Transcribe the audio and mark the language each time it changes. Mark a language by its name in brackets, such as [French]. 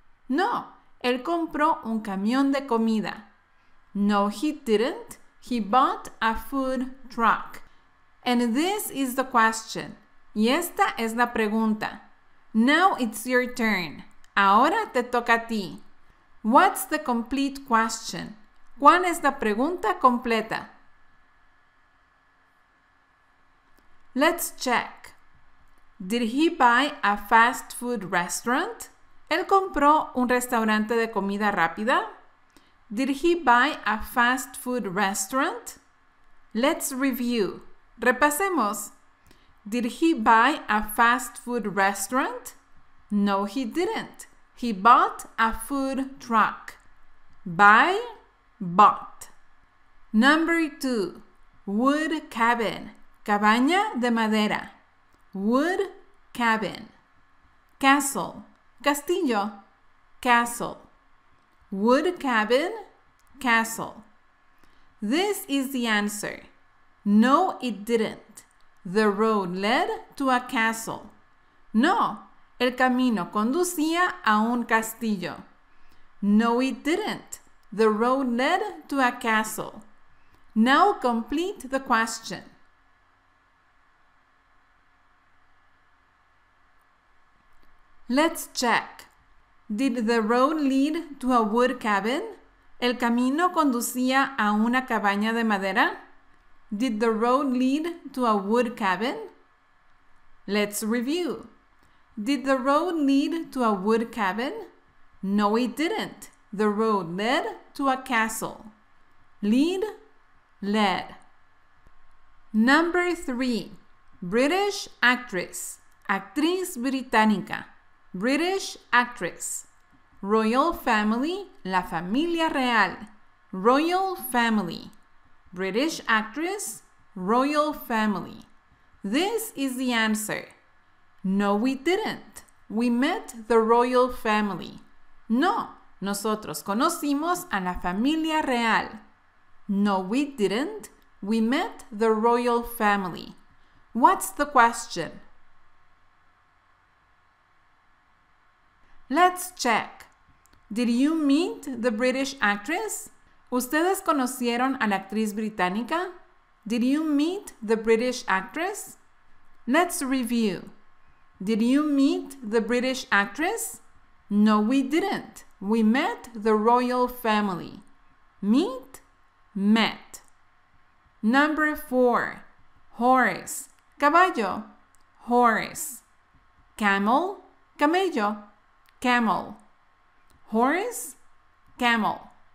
[Spanish] No, él compró un camión de comida. [English] No, he didn't. He bought a food truck. And this is the question. [Spanish] Y esta es la pregunta. [English] Now it's your turn. [Spanish] Ahora te toca a ti. [English] What's the complete question? [Spanish] ¿Cuál es la pregunta completa? [English] Let's check. Did he buy a fast food restaurant? [Spanish] ¿Él compró un restaurante de comida rápida? [English] Did he buy a fast food restaurant? Let's review. [Spanish] Repasemos. [English] Did he buy a fast food restaurant? No, he didn't. He bought a food truck. Buy, bought. Number two. Wood cabin. [Spanish] Cabaña de madera. [English] Wood cabin. Castle. [Spanish] Castillo. [English] Castle. Wood cabin. Castle. This is the answer. No, it didn't. The road led to a castle. No. [Spanish] El camino conducía a un castillo. [English] No, it didn't. The road led to a castle. Now complete the question. Let's check. Did the road lead to a wood cabin? [Spanish] ¿El camino conducía a una cabaña de madera? [English] Did the road lead to a wood cabin? Let's review. Did the road lead to a wood cabin? No, it didn't. The road led to a castle. Lead, led. Number three. British actress. [Spanish] Actriz británica. [English] British actress. Royal family, [Spanish] la familia real. [English] Royal family. British actress, royal family. This is the answer. No, we didn't. We met the royal family. [Spanish] No, nosotros conocimos a la familia real. [English] No, we didn't. We met the royal family. What's the question? Let's check. Did you meet the British actress? [Spanish] ¿Ustedes conocieron a la actriz británica? [English] Did you meet the British actress? Let's review. Did you meet the British actress? No, we didn't. We met the royal family. Meet, met. Number four. Horse. [Spanish] Caballo. [English] Horse. Camel. [Spanish] Camello. [English] Camel. Horse. Camel.